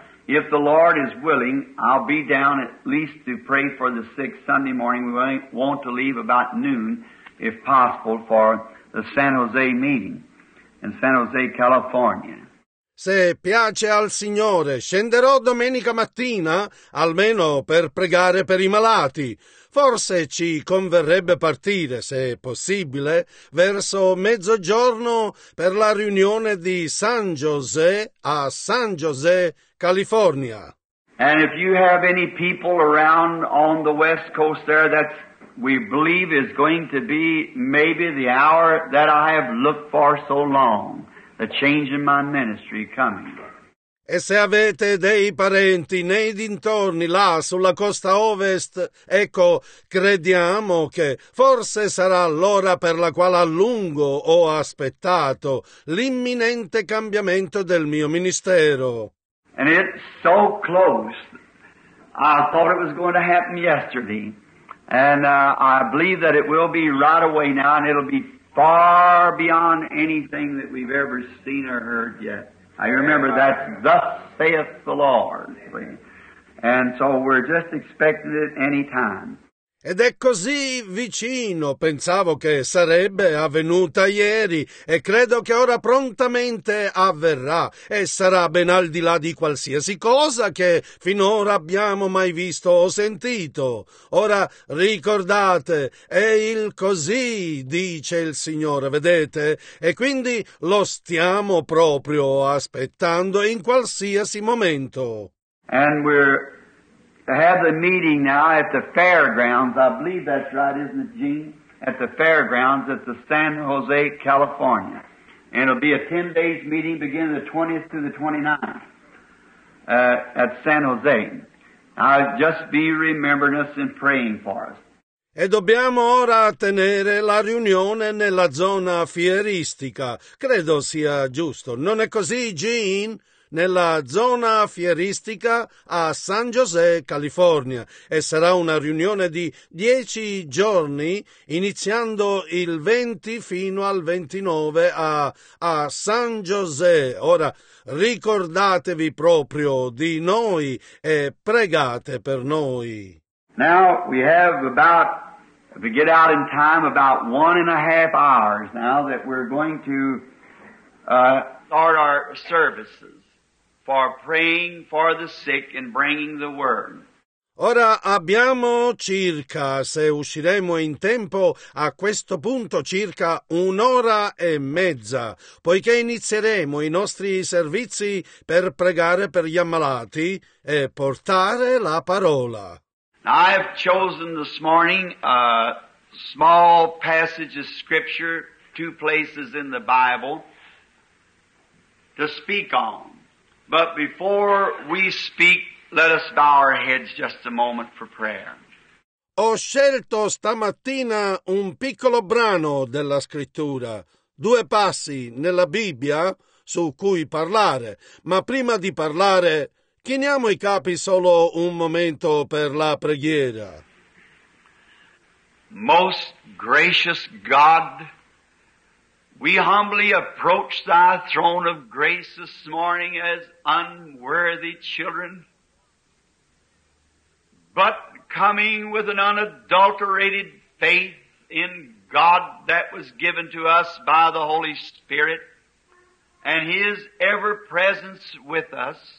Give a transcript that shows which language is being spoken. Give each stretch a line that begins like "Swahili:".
English: If the Lord is willing, I'll be down at least to pray for the sick Sunday morning. We want to leave about noon, if possible, for the San Jose meeting in San Jose, California.
Italian: Se piace al Signore, scenderò domenica mattina, almeno per pregare per i malati. Forse ci converrebbe partire, se è possibile, verso mezzogiorno per la riunione di San José a San José, California.
English: And if you have any people around on the west coast there, that we believe is going to be maybe the hour that I have looked for so long, the change in my ministry coming.
Italian: E se avete dei parenti nei dintorni, là sulla costa ovest, ecco, crediamo che forse sarà l'ora per la quale a lungo ho aspettato l'imminente cambiamento del mio ministero.
English: And it's so close. I thought it was going to happen yesterday. And I believe that it will be right away now, and it'll be far beyond anything that we've ever seen or heard yet. I remember that, thus saith the Lord. And so we're just expecting it any time.
Italian: Ed è così vicino, pensavo che sarebbe avvenuta ieri e credo che ora prontamente avverrà e sarà ben al di là di qualsiasi cosa che finora abbiamo mai visto o sentito. Ora ricordate, è il così, dice il Signore, vedete? E quindi lo stiamo proprio aspettando in qualsiasi momento.
English: And we're... have the meeting now at the fairgrounds. I believe that's right, isn't it, Gene? At the fairgrounds at the San Jose, California. And it'll be a 10-day meeting beginning the 20th through the 29th at San Jose. I'll just be remembering us and praying for us.
Italian: E dobbiamo ora tenere la riunione nella zona fieristica. Credo sia giusto. Non è così, Gene? Nella zona fieristica a San José, California, e sarà una riunione di 10 giorni, iniziando il 20 fino al 29 a San José. Ora, ricordatevi proprio di noi e pregate per noi.
English: Now we have about, if we get out in time, about 1.5 hours now that we're going to start our services. For praying for the sick and bringing the word.
Italian: Ora abbiamo circa, se usciremo in tempo, a questo punto circa 1.5 ore, poiché inizieremo i nostri servizi per pregare per gli ammalati e portare la parola.
English: I have chosen this morning a small passage of scripture, 2 places in the Bible, to speak on. But before we speak, let us bow our heads just a moment for prayer.
Italian: Ho scelto stamattina un piccolo brano della scrittura, 2 passi nella Bibbia su cui parlare. Ma prima di parlare, chiniamo i capi solo un momento per la preghiera.
English: Most gracious God, we humbly approach thy throne of grace this morning as unworthy children, but coming with an unadulterated faith in God that was given to us by the Holy Spirit and His ever-presence with us.